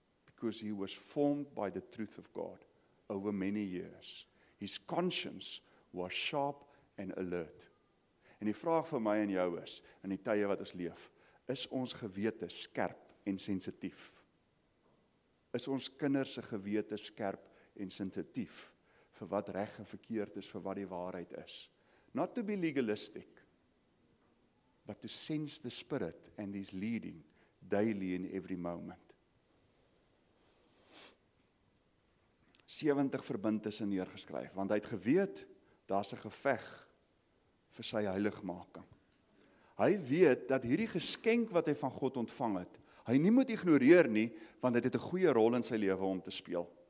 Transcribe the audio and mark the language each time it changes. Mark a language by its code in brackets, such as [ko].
[en] Because he was formed by the truth of God over many years. His conscience was sharp and alert. [af] En die vraag vir my en jou is, in die tye wat ons leef, is ons gewete skerp en sensitief? Is ons kinders se gewete skerp en sensitief vir wat reg en verkeerd is, vir wat die waarheid is? [en] Not to be legalistic, but to sense the spirit and his leading daily in every moment. [af] 70 verbintenisse neergeskryf, want hy het geweet, daar's 'n geveg vir sy heiligmaking. Hy weet dat hierdie geskenk wat hy van God ontvang het, hy nie moet ignoreer nie, want dit het 'n goeie rol in sy lewe om te speel.